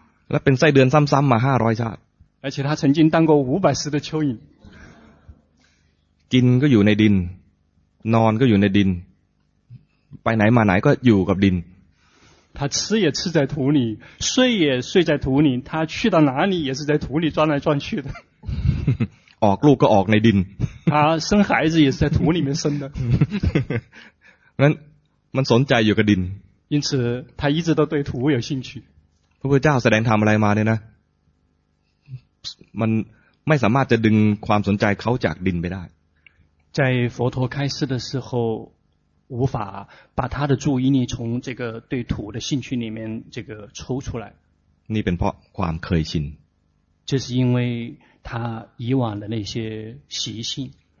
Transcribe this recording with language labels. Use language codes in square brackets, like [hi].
[th] และเป็นไส้เดือนซ้ำๆมา500ชาติ [zh] 而且他曾经当过500世的蚯蚓 [th] กินก็อยู่ในดินนอนก็อยู่ในดินไปไหนมาไหนก็อยู่กับดิน [zh] 他吃也吃在土里睡也睡在土里他去到哪里也是在土里转来转去的 [th] ออกลูกก็ออกในดิน [zh] 他生孩子也是在土里面生的 [th] นั้นมันสนใจอยู่กับดิน [zh] 因此他一直都对土有兴趣 [th] พระพุทธเจ้าแสดงธรรมอะไรมาเนี่ยนะมันไม่สามารถจะดึงความสนใจเขาจากดินไปได้ [zh] 在佛陀开示的时候无法把他的注意力从这个对土的兴趣里面这个抽出来 [th] นี่เป็นเพราะความเคยชิน [zh] 这是因为他以往的那些习性